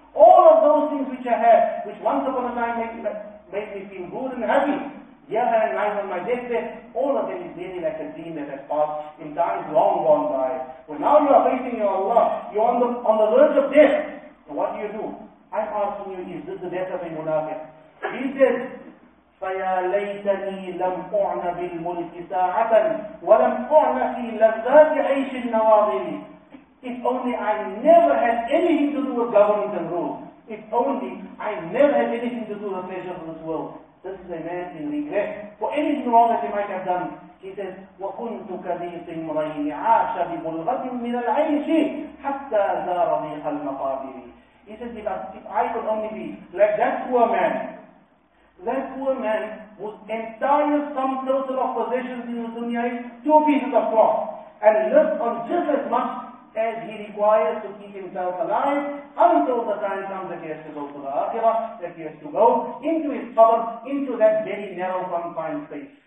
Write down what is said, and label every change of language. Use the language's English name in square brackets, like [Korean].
[English] All of those things which I have, which once upon a time made me feel good and happy, yet I am lying on my deathbed, all of them is nearly like a dream that has passed in times long gone by. Well, now you are facing your Allah, you are on the verge of death. So what do you do? I'm asking you, is this the death of a munafiq? He said, [Arabic] فَيَا لَيْتَنِي لَمْ أُعْنَ بِالْمُلْكِ سَاعَةً وَلَمْ أُعْنَ فِي لَذَّاتِ عَيْشِ النَّوَاظِرِ. [English] If only I never had anything to do with government and rule. If only I never had anything to do with the pleasures of this world. This is a man in regret for anything wrong that he might have done. He says, [Arabic] وَكُنْتُ كَذِيقِ امْرَيْنِ عَاشَ بِبُلْغَةٍ مِنَ الْعَيْشِ حَتَّى زَارَ ضِيقَ الْمَقَابِرِ. [English] He says, if I could only be like that poor man, that poor man whose entire sum total of possessions in the dunya is two pieces of cloth, and lives on just as much as he requires to keep himself alive until the time comes that he has to go to the akhirah, that he has to go into his qabr, into that very narrow confined space.